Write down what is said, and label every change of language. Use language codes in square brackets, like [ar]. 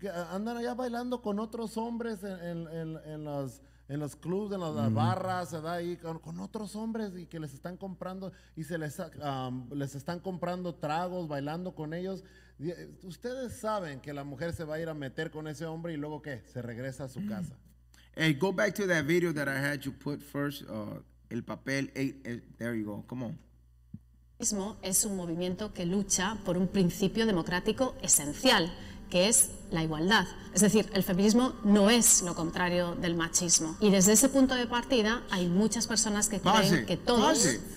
[es] Andan allá bailando con otros hombres en los clubs, en las barras, ¿verdad? Ahí con otros hombres y que les están comprando y les están comprando tragos, bailando con ellos. Ustedes saben que la mujer se va a ir a meter con ese hombre y luego, ¿qué? Se regresa a su casa. [en] Hey, go back to that video that I had you put first. [es] El papel, [en] there you go, come on. [es] El feminismo es un movimiento que lucha por un principio democrático esencial, que es la igualdad. Es decir, el feminismo no es lo contrario del machismo. Y desde ese punto de partida hay muchas personas que creen que todos... Pase.